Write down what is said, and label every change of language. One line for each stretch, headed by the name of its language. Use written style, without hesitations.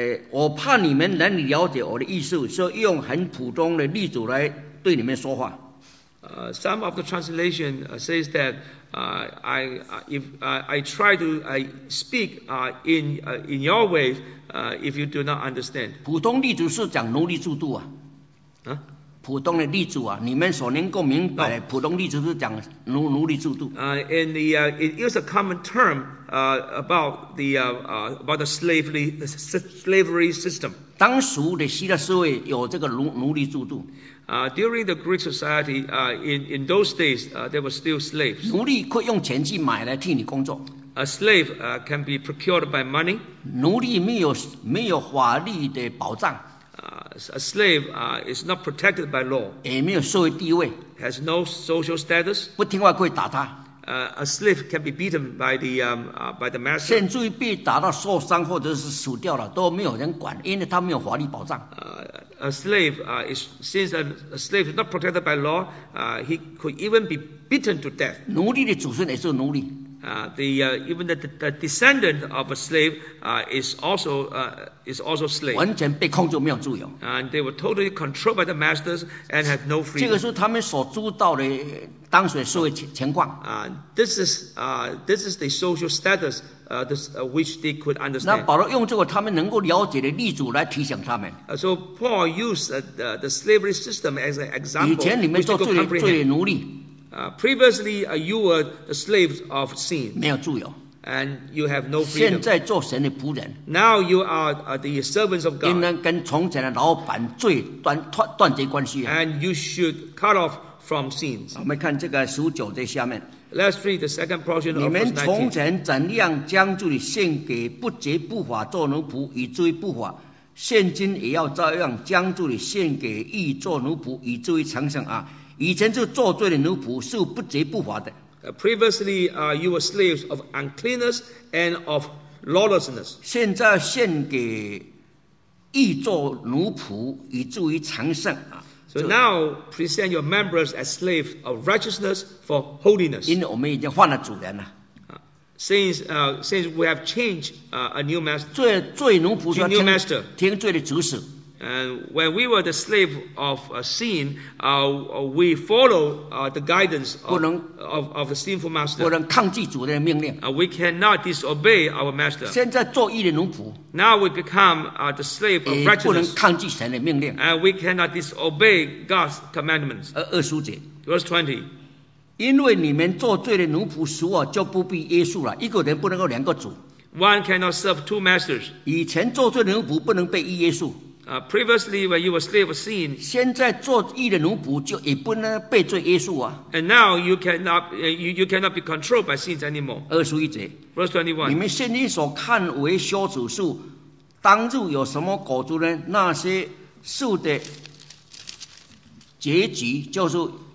Chinese: 我怕你们难以了解我的意思，所以用很普通的例子来。对你们说话。
English: Some of the translation says that I try to speak in your way if you do not understand.
Chinese: 普通例子是讲奴隶制度啊。普通的例子啊，你们所能够明白。普通例子是讲奴隶制度。
English: It is a common term about the slavery system.
Chinese: 当时的希腊社会有这个奴隶制度。
English: During the Greek society, in those days, there were still slaves.
Chinese: 奴隶可以用钱去买来替你工作。
English: A slave can be procured by money.
Chinese: 奴隶没有法律的保障。
English: A slave is not protected by law.
Chinese: 也没有社会地位。
English: Has no social status.
Chinese: 不听话可以打他。
English: A slave can be beaten by the master.
Chinese: 甚至于被打到受伤或者是死掉了，都没有人管，因为他没有法律保障。
English: A slave is since a slave is not protected by law, he could even be beaten to death.
Chinese: 奴隶的祖孙也是奴隶。
English: The descendant of a slave is also slave.
Chinese: 完全被控制，没有自由。
English: And they were totally controlled by the masters and had no freedom.
Chinese: 这个是他们所租到的当时的社会情况。
English: This is the social status which they could understand.
Chinese: 那保罗用这个他们能够了解的例子来提醒他们。
English: So Paul used the slavery system as an example.
Chinese: 以前你们做罪的奴隶。
English: Previously, you were the slaves of sin.
Chinese: 没有自由。
English: And you have no freedom.
Chinese: 现在做神的仆人。
English: Now you are the servants of God.
Chinese: 应当跟从前的老板罪断绝关系。
English: And you should cut off from sins.
Chinese: 我们看这个十九节下面。
English: Let's read the second portion of verse
Chinese: 19. 你们从前怎样将自己献给不洁不法做奴仆，以至于不法，现今也要照样将自己献给义做奴仆，以至于成圣啊。以前就做罪的奴仆是不洁不法的。
English: Previously, you were slaves of uncleanness and of lawlessness.
Chinese: 现在献给义做奴仆，以至于成圣啊。
English: So now present your members as slaves of righteousness for holiness.
Chinese: 因为我们已经换了主人了。
English: since we have changed a new master,
Chinese: 罪奴仆,
English: to a new master,
Chinese: 听罪的指示,
English: and when we were the slave of sin, we follow the guidance
Chinese: 不能,
English: of the sinful master.
Chinese: 不能抗拒主的命令,
English: we cannot disobey our master.
Chinese: 现在做义的奴仆,
English: now we become the slave of righteousness. And we cannot disobey God's commandments.
Chinese: 20节,
English: verse 20.
Chinese: 因为你们做罪的奴仆使我就不必约束了，一个人不能够两个主。
English: One cannot serve two masters.
Chinese: 以前做罪的奴仆不能被约束。
English: Previously, when you were slave of sin,
Chinese: 现在做义的奴仆就也不能被罪约束啊。
English: And now you cannot be controlled by sins anymore.
Chinese: 21节,
English: verse 21.
Chinese: 你们现今所看为羞耻树，当日有什么果子呢？那些树的结局就是。